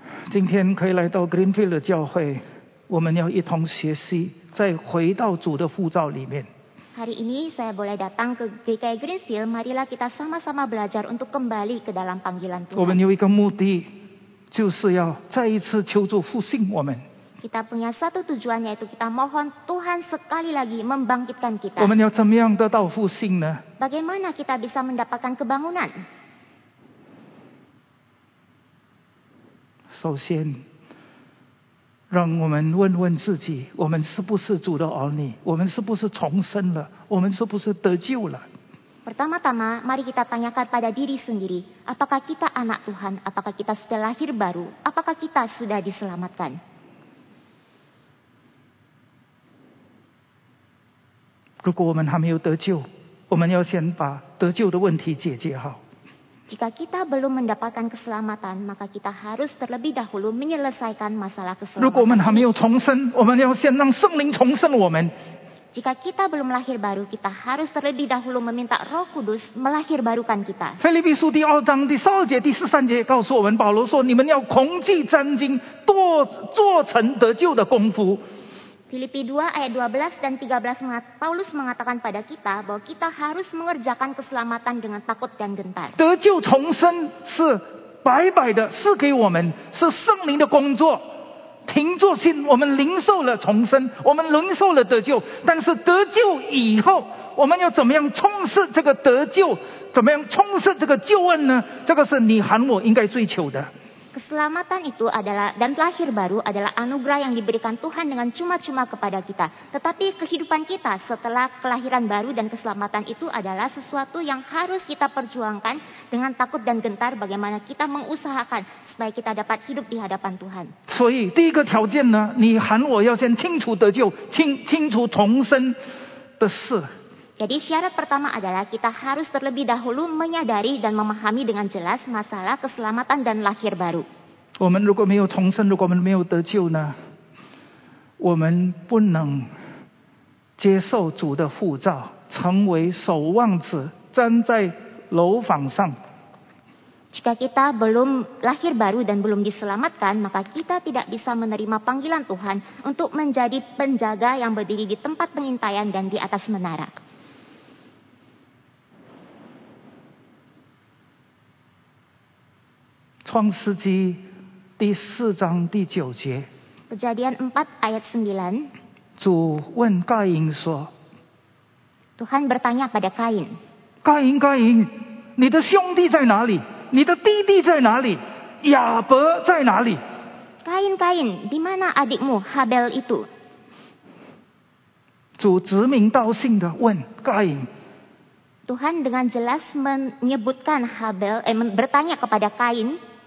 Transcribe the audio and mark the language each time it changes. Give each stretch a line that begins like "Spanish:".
Chinese: 今天可以来到 Greenfield 的教会，我们要一同学习再回到主的呼召里面。
Indonesian: Hari ini saya boleh datang ke GKI Greenfield, marilah kita sama-sama belajar untuk kembali ke dalam panggilan Tuhan.
Chinese: 我们有一个目的，就是要再一次求主复兴我们。
Indonesian: Kita punya satu tujuan, yaitu kita mohon Tuhan sekali lagi membangkitkan kita.
Chinese: 我们要怎么样得到复兴呢？
Indonesian: Bagaimana kita bisa mendapatkan kebangunan?
Chinese: 首先让我们问问自己，我们是不是主的儿女？我们是不是重生了？我们是不是得救了？
Indonesian: Pertama-tama, mari kita tanyakan pada diri sendiri, apakah kita anak Tuhan? Apakah kita sudah lahir baru? Apakah kita sudah diselamatkan?
Chinese: 如果我们还没有得救，我们要先把得救的问题解决好。
Indonesian: Jika kita belum mendapatkan keselamatan, maka kita harus terlebih dahulu menyelesaikan masalah keselamatan.
Chinese: 如果我们还没有重生，我们要先让圣灵重生我们。
Indonesian: Jika kita belum lahir baru, kita harus terlebih dahulu meminta Roh Kudus melahirbarukan kita.
Chinese: Filipi 2:12-13 告诉我们，保罗说，你们要恐惧战惊，多做成得救的功夫。
Indonesian: Filipi 2:12-13 Paulus mengatakan pada kita bahwa kita harus mengerjakan keselamatan dengan takut dan gentar.
Chinese: 得救重生是白白的，是给我们，是圣灵的工作。凭着信，我们领受了重生，我们领受了得救。但是得救以后，我们要怎么样充实这个得救？怎么样充实这个救恩呢？这个是你和我应该追求的。
Indonesian: Keselamatan itu adalah dan lahir baru adalah anugerah yang diberikan Tuhan dengan cuma-cuma kepada kita. Tetapi kehidupan kita setelah kelahiran baru dan keselamatan itu adalah sesuatu yang harus kita perjuangkan dengan takut dan gentar bagaimana kita mengusahakan supaya kita dapat hidup di hadapan Tuhan.
Chinese: 所以第一个条件呢，你喊我要先清楚得救，清楚重生的事。
Indonesian: Jadi syarat pertama adalah kita harus terlebih dahulu menyadari dan memahami dengan jelas masalah keselamatan dan lahir baru.
Chinese: 我们如果没有重生，如果我们没有得救呢，我们不能接受主的护照，成为守望者，站在楼房上。
Indonesian: Jika kita belum lahir baru dan belum diselamatkan, maka kita tidak bisa menerima panggilan Tuhan untuk menjadi penjaga yang berdiri di tempat pengintaian dan di atas menara.
Chinese: 创世纪第四章第九节。
Indonesian: Kejadian 4 ayat 9.
Chinese: 主问该隐说。 Tuhan bertanya pada Kain. 该隐，该隐，你的兄弟在哪里？你的弟弟在哪里？亚伯在哪里？
Indonesian: Kain, Kain, di mana adikmu Habel itu?
Chinese: 主指名道姓的问该隐。
Indonesian: Tuhan dengan jelas menyebutkan Habel, bertanya kepada Kain.